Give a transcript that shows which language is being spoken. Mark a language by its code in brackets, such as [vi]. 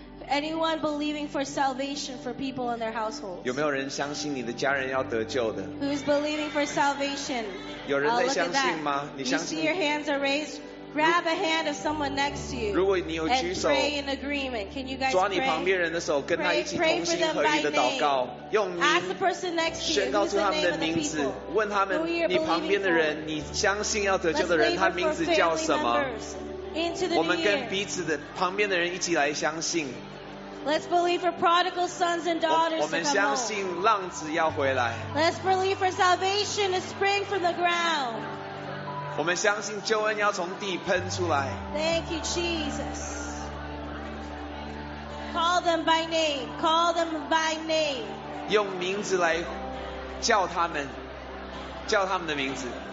[en] Anyone believing for salvation for people in their households? [zh] 有没有人相信你的家人要得救的？ [en] Who's believing for salvation? [zh] 有人在相信吗？你相信？ [en] You see your hands are raised. Grab a hand of someone next to you. [zh] 如果你有举手， [en] and pray in agreement. Can you guys [zh] 抓你旁边人的手，跟他一起同心合意的祷告，用名 [en] ask the person next to you, [zh] 宣告出他们的名字，问他们你旁边的人，你相信要得救的人，他名字叫什么？ [en] Into the [zh] 我们跟彼此的旁边的人一起来相信。 [en] Let's believe for prodigal sons and daughters [zh] 我们相信浪子要回来。 [en] Let's believe for salvation to spring from the ground. [zh] 我们相信救恩要从地喷出来。 [en] Thank you, Jesus. Call them by name. Call them by name. [zh] 用名字来叫他们，叫他们的名字。